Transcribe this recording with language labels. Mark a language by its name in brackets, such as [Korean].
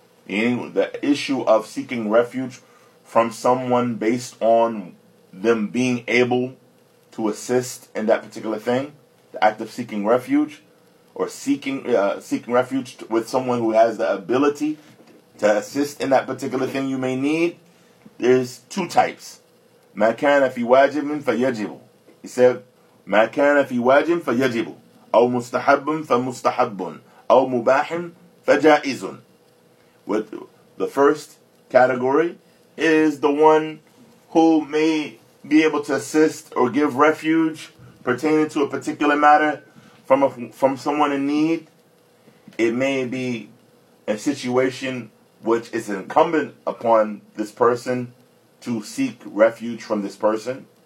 [English] The issue of seeking refuge from someone based on them being able to assist in that particular thing. The act of seeking refuge, or seeking refuge with someone who has the ability to assist in that particular thing you may need. There's two types. [Arabic] ما كان في واجب فيجب. [English] He said, [Arabic] ما كان في واجب فيجب. أو مستحب فمستحب. أو مباح فجائز. [English] With the first category is the one who may be able to assist or give refuge pertaining to a particular matter from someone in need. It may be a situation which is incumbent upon this person to seek refuge from this person.